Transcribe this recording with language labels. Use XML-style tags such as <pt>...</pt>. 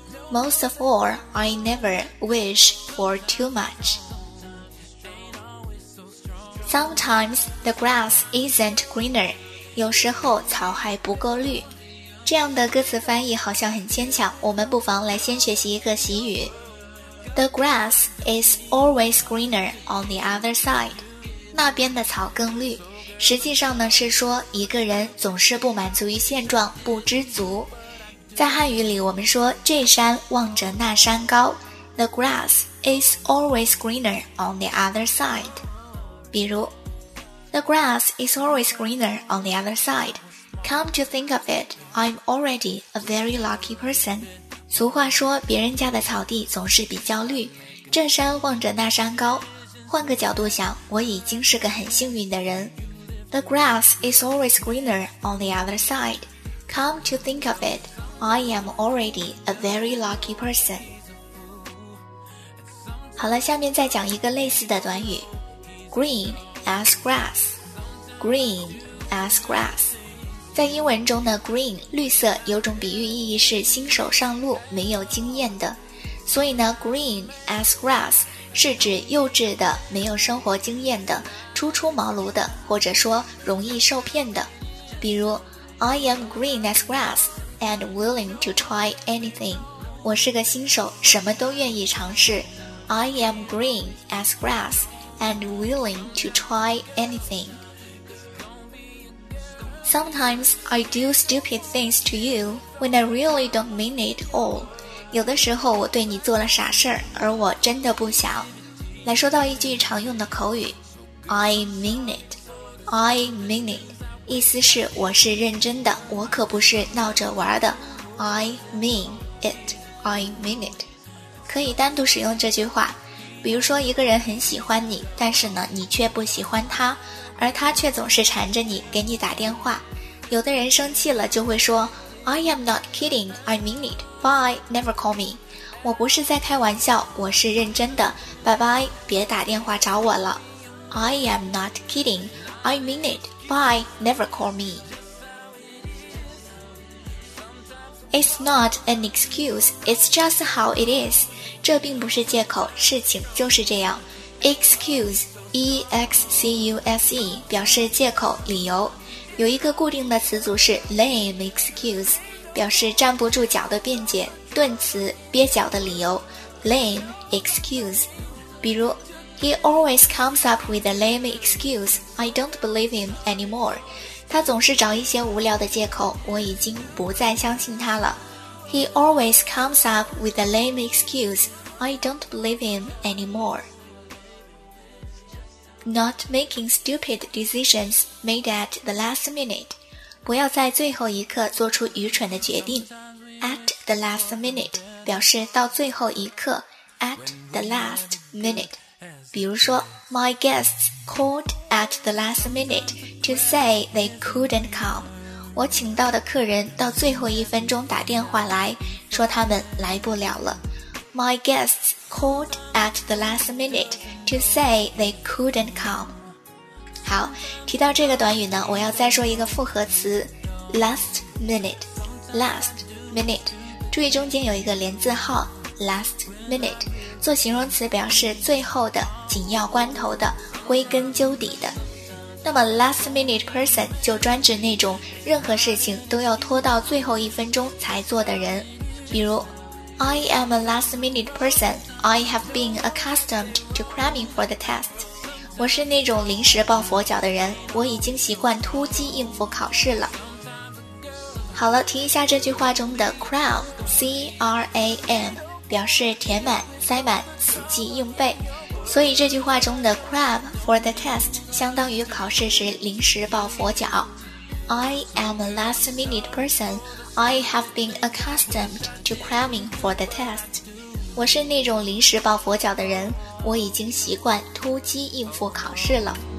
<en>Most of all, I never wish for too much. Sometimes the grass isn't greener.</en> <zh>有时候草还不够绿。这样的歌词翻译好像很牵强，我们不妨来先学习一个习语。</zh> <en>The grass is always greener on the other side.</en> <zh>那边的草更绿。实际上呢，是说一个人总是不满足于现状，不知足。在汉语里，我们说这山望着那山高。</zh> <en>The grass is always greener on the other side.</en> <zh>比如</zh> <en>The grass is always greener on the other side. Come to think of it, I'm already a very lucky person.</en> <zh>俗话说，别人家的草地总是比较绿，这山望着那山高。换个角度想，我已经是个很幸运的人。</zh> <en>The grass is always greener on the other side. Come to think of itI am already a very lucky person.</en> <zh>好了，下面再讲一个类似的短语。</zh> <en>Green as grass. Green as grass.</en> <zh>在英文中呢， green, 绿色，有种比喻意义是新手上路，没有经验的。所以呢， green as grass 是指幼稚的，没有生活经验的，初出茅庐的，或者说容易受骗的。比如</zh> <en>I am green as grass. And willing to try anything.</en> <zh>我是个新手，什么都愿意尝试。</zh> <en>I am green as grass and willing to try anything. Sometimes I do stupid things to you when I really don't mean it all.</en> <zh>有的时候我对你做了傻事儿，而我真的不想。来说到一句常用的口语，</zh> <en>I mean it. I mean it.</en> <zh>意思是我是认真的，我可不是闹着玩的。</zh> <en>I mean it, I mean it.</en> <zh>可以单独使用这句话，比如说一个人很喜欢你，但是呢你却不喜欢他，而他却总是缠着你，给你打电话。有的人生气了就会说</zh> <en>I am not kidding, I mean it. Bye, never call me.</en> <zh>我不是在开玩笑，我是认真的。拜拜，别打电话找我了。</zh> <en>I am not kidding, I mean it. Bye, never call me. It's not an excuse, it's just how it is.</en> <zh>这并不是借口，事情就是这样。 Excuse, E-X-C-U-S-E, 表示借口、理由。有一个固定的词组是 lame excuse, 表示站不住脚的辩解、顿词、憋脚的理由。</zh> <en>Lame excuse,</en> <zh>比如</zh> <en>He always comes up with a lame excuse. I don't believe him anymore.</en> <zh>他总是找一些无聊的借口，我已经不再相信他了。</zh> <en>He always comes up with a lame excuse. I don't believe him anymore. Not making stupid decisions made at the last minute.</en> <zh>不要在最后一刻做出愚蠢的决定。 At the last minute 表示到最后一刻。</zh> <en>At the last minute.</en> <zh>比如说</zh> <en>My guests called at the last minute to say they couldn't come.</en> <zh>我请到的客人到最后一分钟打电话来说他们来不了了。</zh> <en>My guests called at the last minute to say they couldn't come.</en> <zh>好，提到这个短语呢，我要再说一个复合词 last minute.</zh> <en>Last minute.</en> <zh>注意中间有一个连字号 last minute. 做形容词表示最后的、紧要关头的、归根究底的。那么 last minute person 就专指那种任何事情都要拖到最后一分钟才做的人。比如</zh> <en>I am a last minute person. I have been accustomed to cramming for the test.</en> <zh>我是那种临时抱佛脚的人，我已经习惯突击应付考试了。好了，听一下这句话中的 cram， C-R-A-M， 表示填满、塞满、死记硬背。所以这句话中的 cram for the test 相当于考试时临时抱佛脚。</zh> <en>I am a last minute person. I have been accustomed to cramming for the test.</en> <zh>我是那种临时抱佛脚的人，我已经习惯突击应付考试了。</zh>